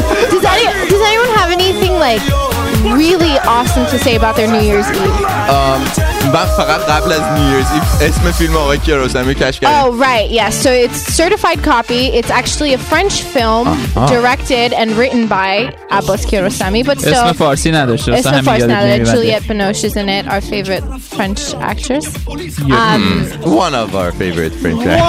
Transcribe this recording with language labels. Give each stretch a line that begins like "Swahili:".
English: Does anyone have anything like really awesome to say about their New Year's Eve?
Persian: من فقط قبل از
English: New Year's Eve
Persian: اسم فیلم آقای کیاروسامی کش کردم.
English: Oh right, yes. Yeah. So it's certified copy. It's actually a French film directed and written by Abbas Kiarostami. But still,
Persian: اسم فارسی نداشت. اسم فارسی نداشت.
English: Juliet Binoche is in it. Our favorite French actress. One of our favorite French actors.